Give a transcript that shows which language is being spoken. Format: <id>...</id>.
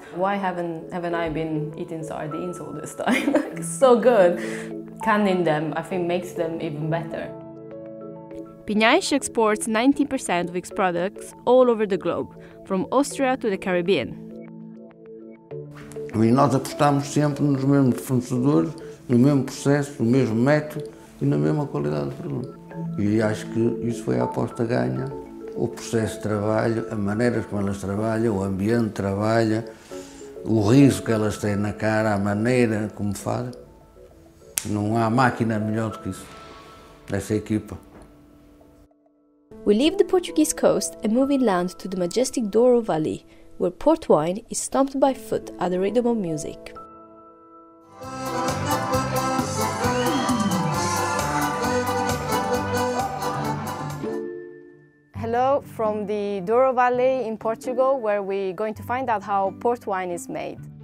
<en>Why haven't I been eating sardines all this time? So good. Canning them, I think, makes them even better. Pinhais exports 90% of its products all over the globe, from Austria to the Caribbean.</en> <pt>E nós apostamos sempre nos mesmos fornecedores, no mesmo processo, no mesmo método e na mesma qualidade de produto. E acho que isso foi a aposta ganha. O processo de trabalho, a maneira como elas trabalham, o ambiente de trabalho, o riso que elas têm na cara, a maneira como fazem. Não há máquina melhor do que isso, dessa equipa.</pt> <en>We leave the Portuguese coast and move inland to the majestic Douro Valley, where port wine is stomped by foot at the rhythm of music. Hello from the Douro Valley in Portugal, where we're going to find out how port wine is made.</en>